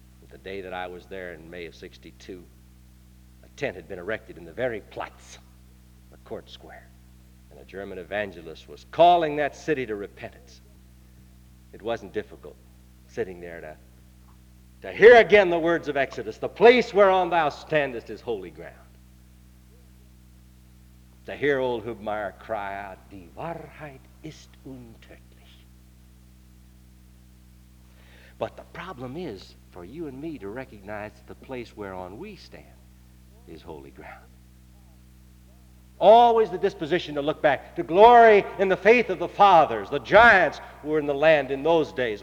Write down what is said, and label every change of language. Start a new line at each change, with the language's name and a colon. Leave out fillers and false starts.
English: The day that I was there in May of 62, a tent had been erected in the very Platz, the court square, and a German evangelist was calling that city to repentance. It wasn't difficult sitting there to hear again the words of Exodus, "The place whereon thou standest is holy ground." To hear old Hubmaier cry out,
German: "Die Wahrheit ist untötlich."
English: But the problem is for you and me to recognize that the place whereon we stand is holy ground. Always the disposition to look back, to glory in the faith of the fathers, the giants who were in the land in those days.